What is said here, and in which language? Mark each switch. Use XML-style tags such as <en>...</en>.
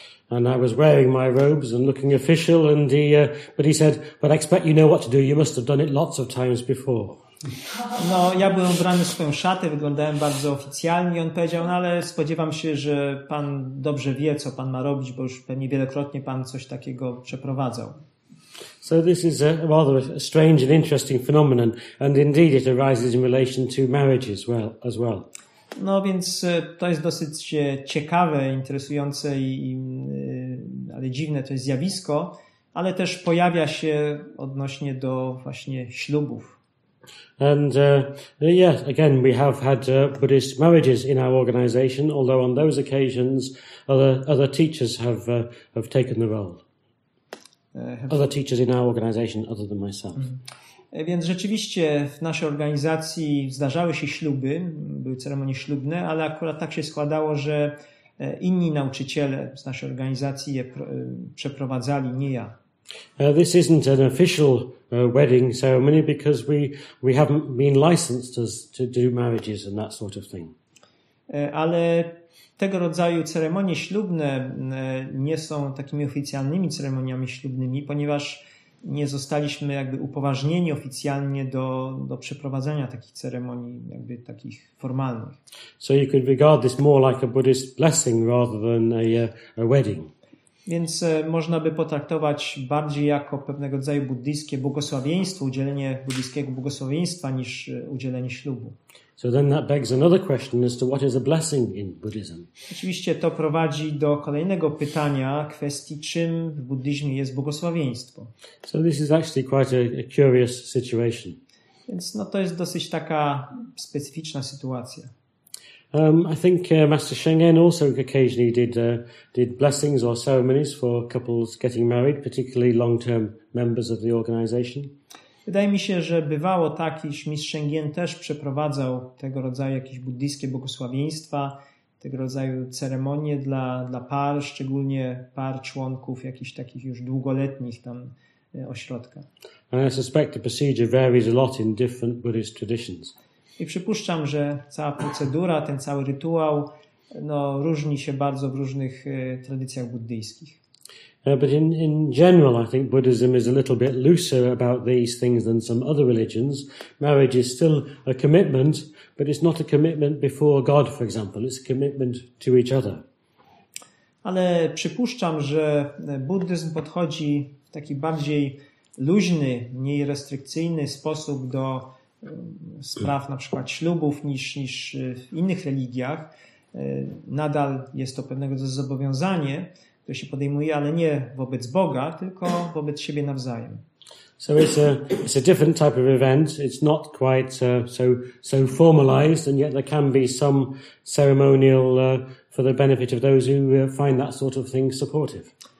<en>And I was wearing my robes and looking official, and he said, but I expect you know what to do, you must have done it lots of times before.</en> <pl>No, ja byłem ubrany w swoją szatę, wyglądałem bardzo oficjalnie, on powiedział, no ale spodziewam się, że pan dobrze wie, co pan ma robić, bo już pewnie wielokrotnie pan coś takiego przeprowadzał.</pl> <en>So this is a rather strange and interesting phenomenon, and indeed it arises in relation to marriage as well.</en> <pl>No więc to jest dosyć ciekawe, interesujące i ale dziwne to jest zjawisko, ale też pojawia się odnośnie do właśnie ślubów.</pl> <en>And again, we have had Buddhist marriages in our organization, although on those occasions other teachers have taken the role. Other teachers in our organization other than myself.</en> <pl>Więc rzeczywiście w naszej organizacji zdarzały się śluby, były ceremonie ślubne, ale akurat tak się składało, że inni nauczyciele z naszej organizacji je przeprowadzali, nie ja.</pl> <en>This isn't an official wedding ceremony because we haven't been licensed as to do marriages and that sort of thing.</en> <pl>Ale tego rodzaju ceremonie ślubne nie są takimi oficjalnymi ceremoniami ślubnymi, ponieważ nie zostaliśmy jakby upoważnieni oficjalnie do przeprowadzenia takich ceremonii, jakby takich formalnych.</pl> <en>So you could regard this more like a Buddhist blessing rather than a wedding.</en> <pl>Więc można by potraktować bardziej jako pewnego rodzaju buddyjskie błogosławieństwo, udzielenie buddyjskiego błogosławieństwa niż udzielenie ślubu.</pl> <en>So then that begs another question as to what is a blessing in Buddhism.</en> <pl>Oczywiście to prowadzi do kolejnego pytania, kwestii czym w buddyzmie jest błogosławieństwo.</pl> <en>So this is actually quite a curious situation.</en> <pl>Więc no to jest dosyć taka specyficzna sytuacja.</pl> <en>I think Master Shengen also occasionally did blessings or ceremonies for couples getting married, particularly long-term members of the organization.</en> <pl>Wydaje mi się, że bywało tak, iż mistrz Shengen też przeprowadzał tego rodzaju jakieś buddyjskie błogosławieństwa, tego rodzaju ceremonie dla par, szczególnie par członków jakichś takich już długoletnich tam ośrodka.</pl> <en>And I suspect the procedure varies a lot in different Buddhist traditions.</en> <pl>I przypuszczam, że cała procedura, ten cały rytuał no, różni się bardzo w różnych tradycjach buddyjskich.</pl> <en>But in general, I think Buddhism is a little bit looser about these things than some other religions. Marriage is still a commitment, but it's not a commitment before God, for example. It's a commitment to each other.</en> <pl>Ale przypuszczam, że buddyzm podchodzi w taki bardziej luźny, mniej restrykcyjny sposób do spraw na przykład ślubów niż w innych religiach. Nadal jest to pewnego rodzaju zobowiązanie, które się podejmuje, ale nie wobec Boga, tylko wobec siebie nawzajem.</pl> <en>So it's a different type of event. It's not quite so formalized, and yet there can be some ceremonial for the benefit of those who find that sort of thing supportive.</en>